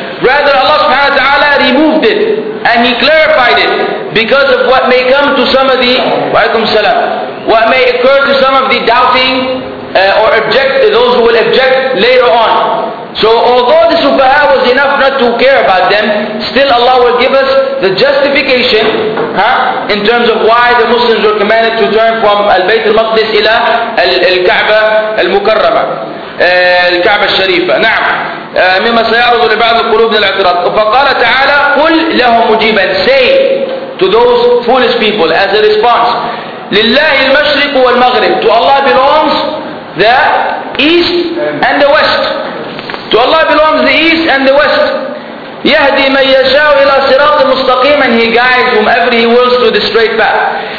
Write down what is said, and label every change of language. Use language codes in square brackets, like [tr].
[en] Rather, Allah subhanahu wa ta'ala removed it and He clarified it because of what may come to some of the, waalaikum salam, what may occur to some of the doubting or object, those who will object later on. So although the Sufaha was enough not to care about them, still Allah will give us the justification in terms of why the Muslims were commanded to turn from Al-Bayt al-Maqdis ila Al-Ka'ba al-Mukarrama, Al-Ka'ba al-Sharifa. [ar] نعم مما سيعرض لبعض القلوب للاعتراض. فقال تعالى قل لهم مجيبا, [en] say to those foolish people as a response, [ar] لله المشرق والمغرب, [en] to Allah belongs the East and the West. To Allah belongs the East and the West. [ar] يَهْدِي مَنْ يَشَاءُ إِلَى صِرَاطٍ مُسْتَقِيمٍ, [en] and He guides whomever He wills to the straight path.